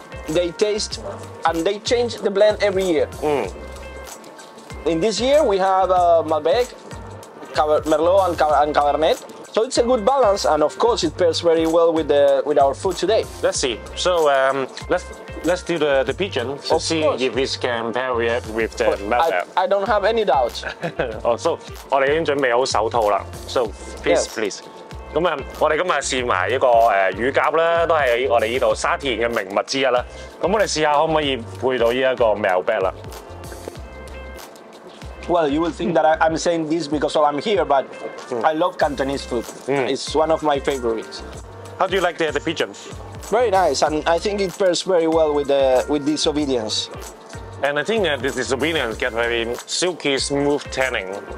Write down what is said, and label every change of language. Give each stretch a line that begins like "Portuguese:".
English: They taste and they change the blend every year. In this year, we have Malbec, Merlot and Cabernet. So it's a good balance, and of course it pairs very well with our food today. Let's see. So let's do the pigeon to see if this can pair with the Malbec. I don't have any doubts.
Cantonese: So 我哋已經準備好手套啦。
English: So please, please.
Cantonese: 咁我哋今日試埋一個乳鴿啦，都係我哋依度沙田嘅名物之一啦。咁我哋試下可唔可以配到依一個 Malbec 啦。
English: Well, you will think that I'm saying this because I'm here, but I love Cantonese food. It's one of my favorites. How do you like the pigeon? Very nice, and I think it pairs very well with disobedience. And I think that the disobedience gets very silky, smooth tanning.